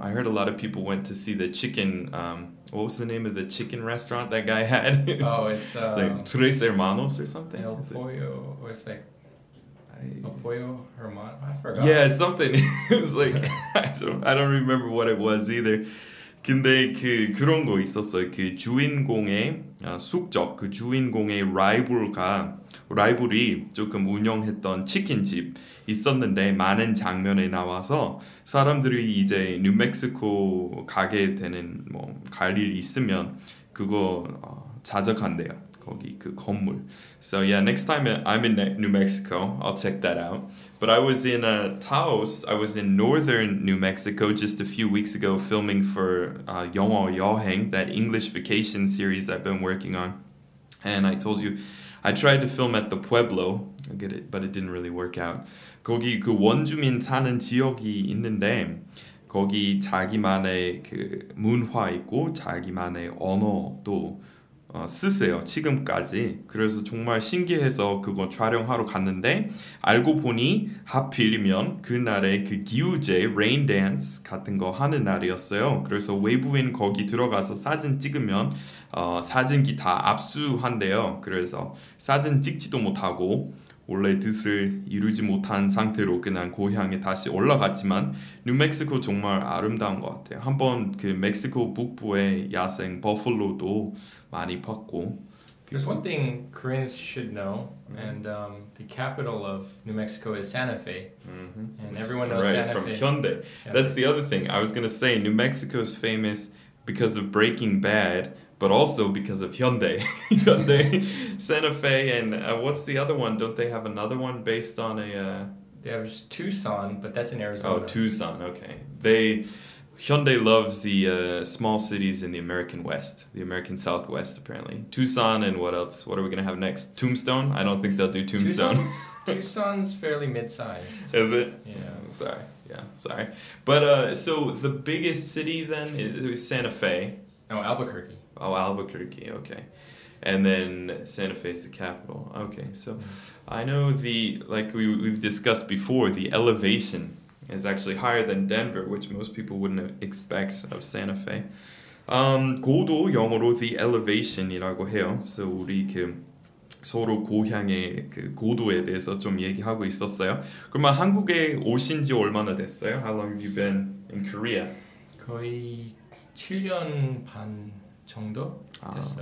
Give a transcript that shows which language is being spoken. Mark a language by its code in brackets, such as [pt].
[en] I heard a lot of people went to see the chicken what was the name of the chicken restaurant that guy had? it's like Tres Hermanos or something. El Pollo or it's like El Pollo Hermano. I forgot. Yeah, something. It was like I don't remember what it was either. [ko] 근데 그 그런 거 있었어요. 그 주인공의 숙적 그 주인공의 라이벌이 조금 운영했던 치킨집 있었는데 많은 장면에 나와서 사람들이 이제 뉴멕시코 가게 되는 뭐 갈 일 있으면 그거 자작한대요. 거기 그 건물. [en] So yeah, next time I'm in New Mexico, I'll check that out. But I was in Taos. I was in northern New Mexico just a few weeks ago filming for 영어 여행, that English vacation series I've been working on. And I told you, I tried to film at the Pueblo, but it didn't really work out. [ko] 거기 그 원주민 사는 지역이 있는데 거기 자기만의 그 문화 있고 자기만의 언어도 쓰세요 지금까지 그래서 정말 신기해서 그거 촬영하러 갔는데 알고 보니 하필이면 그날에 그 기우제 [en] rain dance [ko] 같은 거 하는 날이었어요 그래서 외부인 거기 들어가서 사진 찍으면 사진기 다 압수한대요 그래서 사진 찍지도 못하고 원래 뜻을 이루지 못한 상태로 그냥 고향에 다시 올라갔지만 뉴멕시코 정말 아름다운 것 같아요. 한번 그 멕시코 북부의 야생 버팔로도 많이 봤고 [en] There's one thing Koreans should know and the capital of New Mexico is Santa Fe. Mm-hmm. And everyone knows right, Santa from Fe. From Hyundai. Yeah. That's the other thing. I was going to say New Mexico is famous because of Breaking Bad. But also because of Hyundai. Hyundai, Santa Fe, and what's the other one? Don't they have another one based on a... They have Tucson, but that's in Arizona. Oh, Tucson, okay. Hyundai loves the small cities in the American West, the American Southwest, apparently. Tucson and what else? What are we going to have next? Tombstone? I don't think they'll do Tombstone. Tucson's fairly mid-sized. Is it? Yeah. Sorry. But so the biggest city then is Santa Fe. No, Albuquerque. Oh, Albuquerque, okay. And then Santa Fe is the capital. Okay, so I know like we've discussed before, the elevation is actually higher than Denver, which most people wouldn't expect of Santa Fe. [ko] 고도 영어로 [en] the elevation [ko] 이라고 해요. So 우리 그 서로 고향의 그 고도에 대해서 좀 얘기하고 있었어요. 그러면 한국에 오신 지 얼마나 됐어요? [en] How long have you been in Korea? [ko] 거의 7년 반... 정도 됐어요.